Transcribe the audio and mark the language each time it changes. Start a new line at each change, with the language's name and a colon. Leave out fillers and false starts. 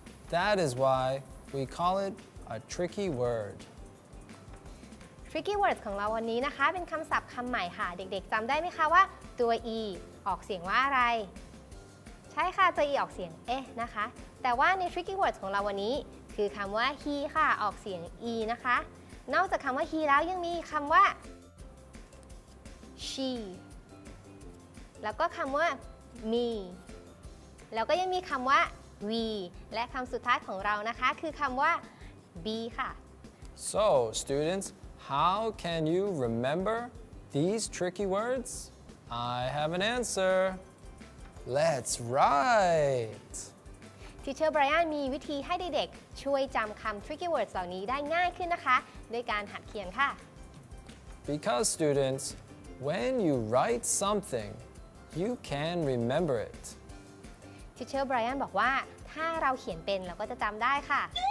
English: That is why we call it a tricky word.
Thai: Tricky words ของเราวันนี้นะคะเป็นคำศัพท์คำใหม่ค่ะเด็กๆจำได้ไหมคะว่าตัว E ออกเสียงว่าอะไรใช่ค่ะตัว E ออกเสียงเอ๊ะนะคะแต่ว่าใน tricky words ของเราวันนี้คือคำว่า he ค่ะออกเสียง E นะคะนอกจากคำว่า he แล้วยังมีคำว่า she แล้วก็คำว่า me แล้วก็ยังมีคำว่า we และคำสุดท้ายของเรานะคะคือคำว่า be ค่ะ
English: So students how can you remember these tricky words I have an answer Let's write
Thai: Teacher Brian มีวิธีให้เด็กๆช่วยจำคำ tricky words เหล่านี้ได้ง่ายขึ้นนะคะด้วยการหัดเขียนค่ะ
English: Because students, when you write something, you can remember it.
Thai: Teacher Brian บอกว่าถ้าเราเขียนเป็นเราก็จะจำได้ค่ะ